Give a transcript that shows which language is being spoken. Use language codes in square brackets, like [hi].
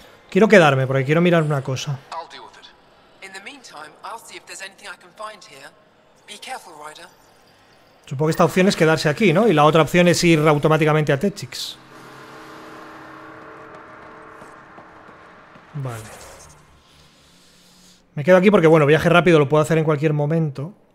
[es] Quiero quedarme porque quiero mirar una cosa. [en] I'll deal with it. In the meantime, I'll see if there's anything I can find here. Be careful, Ryder. [es] Supongo que esta opción es quedarse aquí, ¿no? Y la otra opción es ir automáticamente a Techix. Vale. Me quedo aquí porque, bueno, viaje rápido lo puedo hacer en cualquier momento.